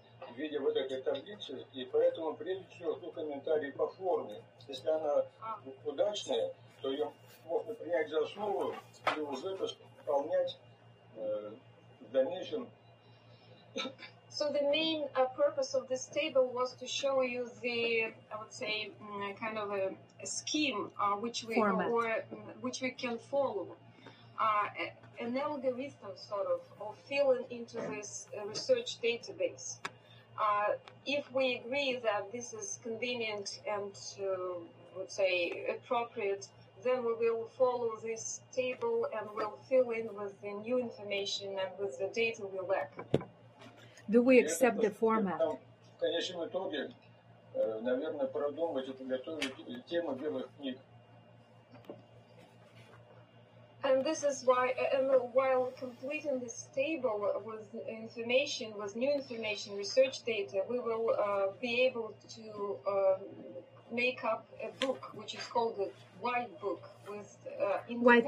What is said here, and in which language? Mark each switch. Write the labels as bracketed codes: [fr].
[ru] В виде вот этой таблицы, и поэтому прежде всего жду комментарий по форме. Если она удачная, то ее можно принять за основу и уже пополнять в дальнейшем. [en] So the main purpose of this table was to show you the, I would say, kind of a scheme which we can follow. An algorithm sort of filling into this research database. If we agree that this is convenient and, would say, appropriate, then we will follow this table and we'll fill in with the new information and with the data we lack. Do we accept the format? [ru] В конечном итоге, наверное, продумать и подготовить тему белых книг. [en] And this is why, while completing this table with information, with new information, research data, we will be able to make up a book, which is called the White Book, with independent